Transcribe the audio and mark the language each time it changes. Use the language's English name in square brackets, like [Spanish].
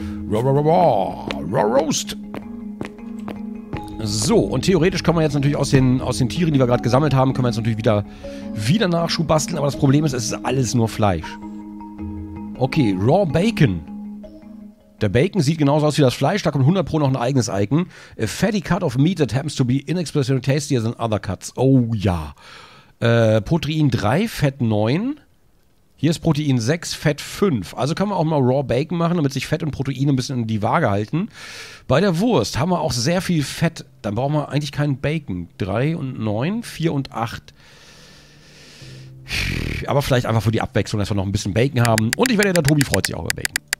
[German] Raw Roast. So, und theoretisch können wir jetzt natürlich aus den Tieren, die wir gerade gesammelt haben, können wir jetzt natürlich wieder Nachschub basteln. Aber das Problem ist, es ist alles nur Fleisch. Okay, Raw Bacon. Der Bacon sieht genauso aus wie das Fleisch. Da kommt 100 pro noch ein eigenes Icon. [English] A fatty cut of meat that happens to be inexpressibly tastier than other cuts. [German] Oh ja. Protein 3, Fett 9. Hier ist Protein 6, Fett 5. Also kann man auch mal Raw Bacon machen, damit sich Fett und Protein ein bisschen in die Waage halten. Bei der Wurst haben wir auch sehr viel Fett. Dann brauchen wir eigentlich keinen Bacon. 3 und 9, 4 und 8. Aber vielleicht einfach für die Abwechslung, dass wir noch ein bisschen Bacon haben. Und ich wette, der Tobi freut sich auch über Bacon.